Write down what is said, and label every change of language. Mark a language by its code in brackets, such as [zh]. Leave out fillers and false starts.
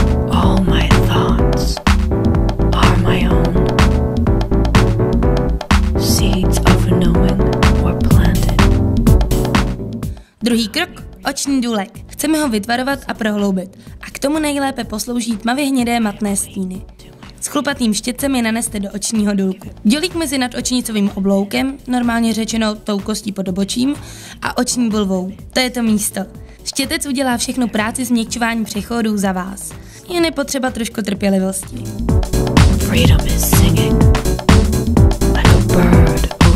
[en] All my thoughts are my own. Seeds of knowing were planted. [cs] Druhý krok. Oční důlek. Chceme ho vytvarovat a prohloubit. A k tomu nejlépe poslouží tmavě hnědé matné stíny. S chlupatým štětcem je naneste do očního důlku. Dělík mezi nadočnicovým obloukem, normálně řečeno tou kostí pod obočím, a oční bulvou. To je to místo. Štětec udělá všechnu práci změkčování přechodů za vás. Je nepotřeba trošku trpělivosti. [en] Freedom is singing like a bird.